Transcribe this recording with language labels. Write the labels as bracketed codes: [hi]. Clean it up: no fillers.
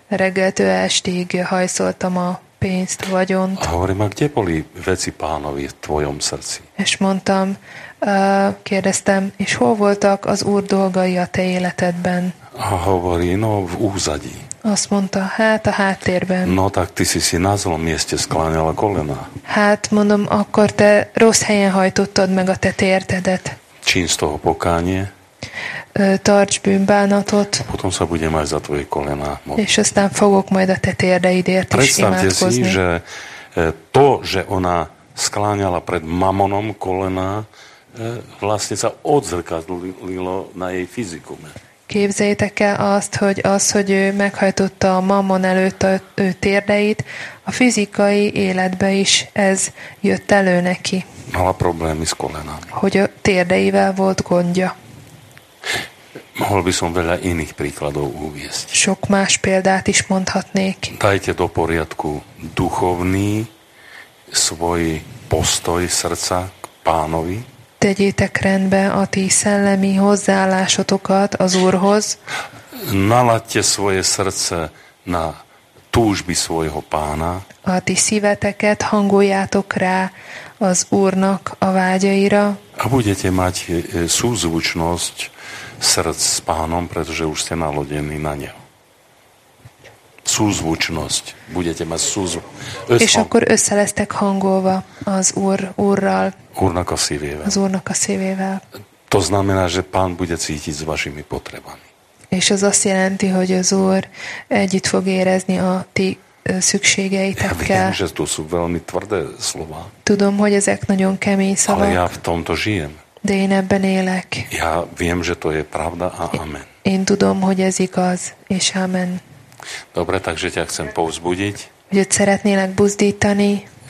[hu] Reggeltől estig hajszoltam a pénzt, vagyont. [sk] A hovorím, a kde boli veci pánovi v tvojom srdci? [hu] És mondtam, kérdeztem, és hol voltak az Úr dolgai a te életedben? [sk] A hovorí, no v úzadí. [hu] Azt mondta, hát a háttérben. [sk] No tak ty si na zlom mieste skláňala kolena. [hu] Hát mondom, akkor te rossz helyen hajtottad meg a te térdedet. [sk] Čin z toho pokánie? [hu] Tarts bűnbánatot. [sk] Potom sa budem aj za tvoje kolena modliť. [hu] És aztán fogok majd a te térdeidért is imádkozni. [sk] Predstavte si, že to, že ona skláňala pred mamonom kolena, vlastne sa odzrkadlilo na jej fizikume. [hu] Képzeljétek el azt, hogy az, hogy ő meghajtotta a mamon előtt ő térdeit, a fizikai életbe is ez jött elő neki. [sk] Mala problémy s kolenami. [hu] Hogy a térdeivel volt gondja. [sk] Mohol by som veľa iných príkladov uviesť. [hu] Sok más példát is mondhatnék. [sk] Dajte do poriadku duchovný svoj postoj srdca k pánovi. [hu] Tegyétek rendbe a ti szellemi hozzáállásotokat az Úrhoz. [sk] Naladjte svoje srdce na túžby svojho pána. [hu] A ti szíveteket hangoljátok rá az Úrnak a vágyaira. [sk] A budete mať súzvučnosť srdc s pánom, pretože už ste nalodení na ňa. Súzvučnosť. Budete mať súzvučnosť. [hu] És akkor össze lesztek hangolva az Úrral. Úrnak a szívével. Az Úrnak a szívével. [sk] To znamená, že pán bude cítiť s vašimi potrebami. [hu] És az azt jelenti, hogy az Úr együtt fog érezni a ti szükségeitekkel. [sk] Ja viem, že to sú veľmi tvrdé slova. [hu] Tudom, hogy ezek nagyon kemény szavak. [sk] Ale ja v tomto žijem. [hu] De én ebben élek. [sk] Ja viem, že to je pravda a amen. [hu] Én tudom, hogy ez igaz, és amen. [sk] Dobre, takže ťa chcem povzbudiť. [hu] Hogy szeretnélek buzdítani.